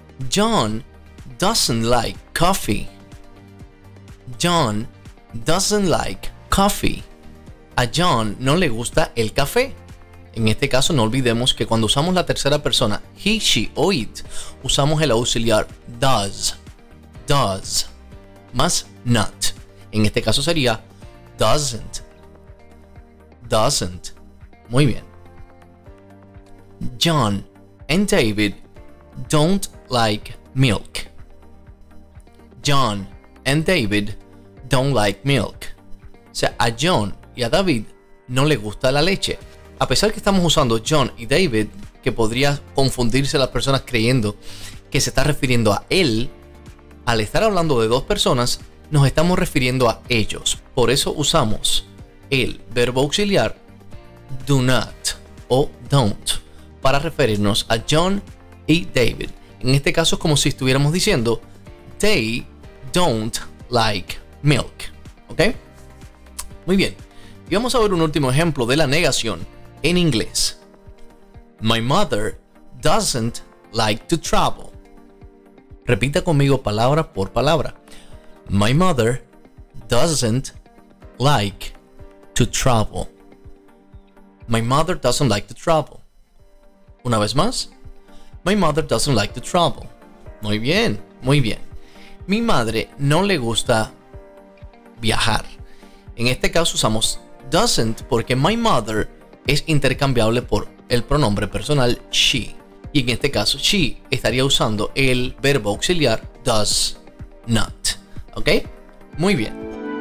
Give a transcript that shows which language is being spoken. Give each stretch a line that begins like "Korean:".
English: John doesn't like coffee. John doesn't like coffee.
Spanish: A John no le gusta el café. En este caso, no olvidemos que cuando usamos la tercera persona, he, she o it, usamos el auxiliar does. Does. Más not. En este caso sería doesn't. Doesn't. Muy bien.
English: John and David don't like milk. John and David don't like milk.
Spanish: O sea, a John y a David no le gusta la leche. A pesar que estamos usando John y David, que podría confundirse las personas creyendo que se está refiriendo a él, al estar hablando de dos personas, nos estamos refiriendo a ellos. Por eso usamos el verbo auxiliar do not o don't para referirnos a John y David. En este caso es como si estuviéramos diciendo
English: they don't like milk.
Spanish: ¿Ok? Muy bien. Y vamos a ver un último ejemplo de la negación en inglés.
English: My mother doesn't like to travel.
Spanish: Repita conmigo palabra por palabra.
English: My mother doesn't like to travel. My mother doesn't like to travel.
Spanish: Una vez más,
English: My mother doesn't like to travel.
Spanish: Muy bien, muy bien. Mi madre no le gusta viajar. En este caso usamos doesn't porque
English: my mother
Spanish: es intercambiable por el pronombre personal she. Y en este caso she estaría usando el verbo auxiliar does not. ¿Ok? Muy bien.